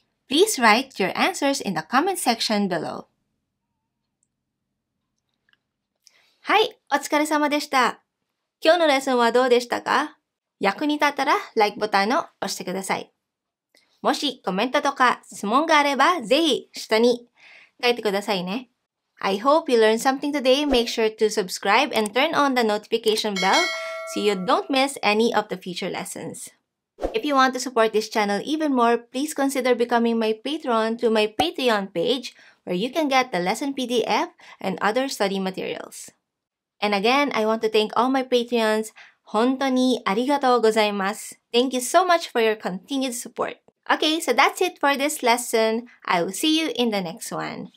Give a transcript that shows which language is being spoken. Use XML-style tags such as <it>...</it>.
<en>Please write your answers in the comment section below.</en> <ja>はい、お疲れ様でした。今日のレッスンはどうでしたか?役に立ったら LIKE ボタンを押してください。もしコメントとか質問があればぜひ下に書いてくださいね。</ja> <en>I hope you learned something today. Make sure to subscribe and turn on the notification bell so you don't miss any of the future lessons. If you want to support this channel even more, please consider becoming my patron to my Patreon page where you can get the lesson PDF and other study materials. And again, I want to thank all my Patreons.</en> <ja>本当にありがとうございます。</ja> <en>Thank you so much for your continued support. Okay, so that's it for this lesson. I will see you in the next one.</en>